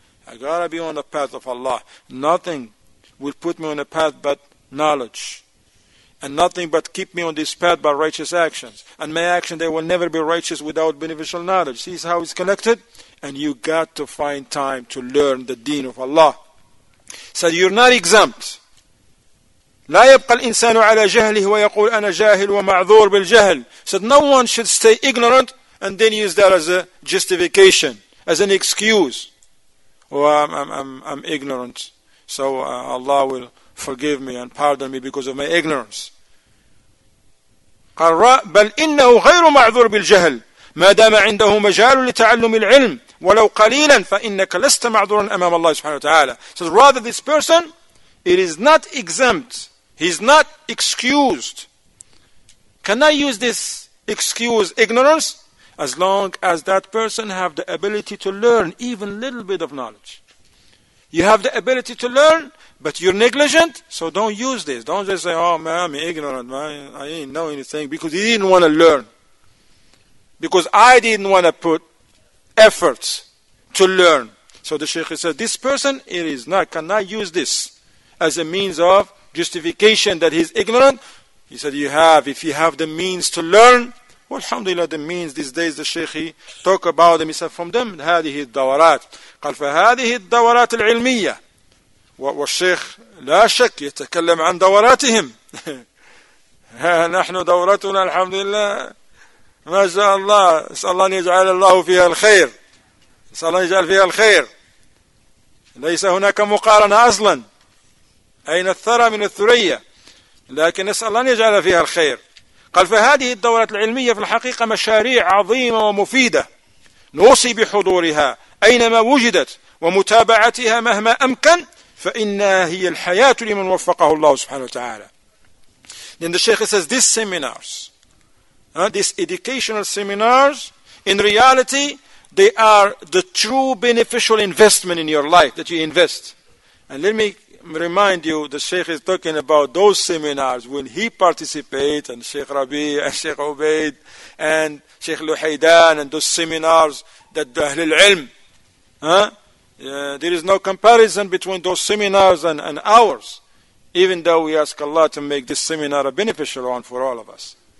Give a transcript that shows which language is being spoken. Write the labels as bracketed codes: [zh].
[en] I got to be on the path of Allah. Nothing will put me on the path but knowledge. And nothing but keep me on this path by righteous actions. And my action, they will never be righteous without beneficial knowledge. See how it's connected? And you got to find time to learn the deen of Allah. So you're not exempt. [ar] لا يبقى الإنسان على جهله ويقول أنا جاهل ومعذور بالجهل. [en] So no one should stay ignorant and then use that as a justification, as an excuse. I'm ignorant. Allah will forgive me and pardon me because of my ignorance. [ar] قال بل إنه غير معذور بالجهل ما دام عنده مجال لتعلم العلم ولو قليلا فإنك لست معذورا أمام الله سبحانه وتعالى. [en] So rather this person, it is not exempt. He's not excused. Can I use this excuse, ignorance? As long as that person have the ability to learn even little bit of knowledge. You have the ability to learn, but you're negligent, so don't use this. Don't just say, oh man, I'm ignorant, man. I didn't know anything, because he didn't want to learn. Because I didn't want to put efforts to learn. So the Shaykh said, this person, it is not, cannot use this as a means of justification that he's ignorant. He said, if you have the means to learn, well, alhamdulillah, the means these days, the Shaykh, he talk about them, he said, from them, [ar] هذه الدورات. قال فهذه الدورات العلمية. والشيخ لا شك يتكلم عن دوراتهم. نحن دورتنا الحمد لله ما شاء الله. نسأل الله أن يجعل الله فيها الخير. نسأل الله أن يجعل فيها الخير. ليس هناك مقارنة أصلا. أين الثرى من الثريا. لكن نسأل الله أن يجعل فيها الخير. قال فهذه الدورات العلمية في الحقيقة مشاريع عظيمة ومفيدة. نوصي بحضورها أينما وجدت ومتابعتها مهما أمكن. فَإِنَّا هِيَ الْحَيَاةُ لِمَنْ وَفَّقَهُ اللَّهُ سُبْحَانَهُ وَتَعَالَى. [en] Then the Shaykh says, these seminars, these educational seminars, in reality, they are the true beneficial investment in your life that you invest. And let me remind you, the Shaykh is talking about those seminars when he participates, and Shaykh Rabi, and Shaykh Ubaid, and Shaykh Luhaydan, and those seminars that the Ahlul Ilm, there is no comparison between those seminars and ours, even though we ask Allah to make this seminar a beneficial one for all of us.